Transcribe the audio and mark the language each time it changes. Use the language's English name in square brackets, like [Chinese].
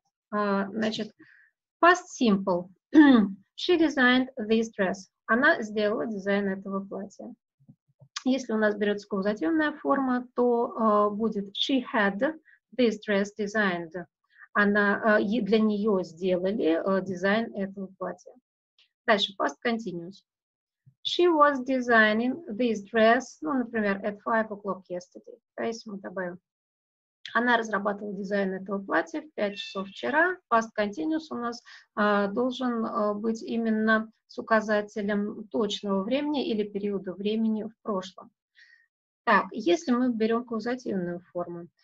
[Russian] Значит, [English] past simple. She designed this dress. [Russian] Она сделала дизайн этого платья. Если у нас берется каузативная форма, то будет [English] she had this dress designed. [Russian] Она для нее сделали дизайн этого платья. Дальше, past continuous. [English] She was designing this dress, [Russian] ну, например, [English] at 5 o'clock yesterday. [Russian] Да, если мы добавим. Она разрабатывала дизайн этого платья в 5 часов вчера. Past continuous у нас должен быть именно с указателем точного времени или периода времени в прошлом. Так, если мы берем каузативную форму.